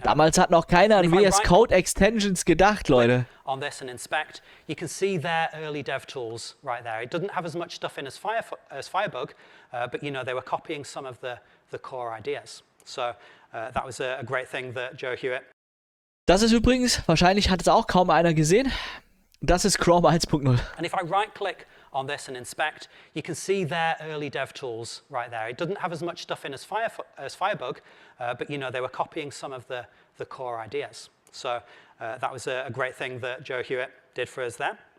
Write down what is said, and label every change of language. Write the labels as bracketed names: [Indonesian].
[German] Damals hat noch keiner an VS Code Extensions gedacht, Leute. [English] On this and inspect, you can see their early dev tools right there. It doesn't have as much stuff in as Firebug, but you know, they were copying some of the core ideas. So that was a great thing that Joe Hewitt. [German] Das ist übrigens, wahrscheinlich hat es auch kaum einer gesehen. Das ist Chrome 1.0. [English] And if I right click on this and inspect, you can see their early dev tools right there. It doesn't have as much stuff in as Firebug, but you know, they were copying some of the core ideas. So that was a great thing that Joe Hewitt did for us there.